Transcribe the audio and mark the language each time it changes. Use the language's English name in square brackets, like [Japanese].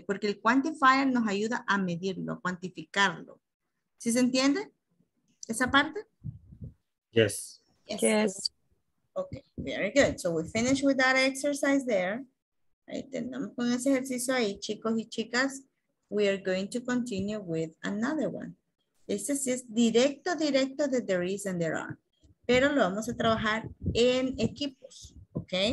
[Spanish] Porque el quantifier nos ayuda a medirlo, a cuantificarlo. ¿Sí se entiende esa parte? [English] Yes. Yes. Yes. Okay, very good. So we finish with that exercise there. [Spanish] Ahí tenemos con ese ejercicio ahí, chicos y chicas. [English] We are going to continue with another one. [Spanish] Este sí es directo, directo de [English] there is and there are. [Spanish] Pero lo vamos a trabajar en equipos, ¿ok?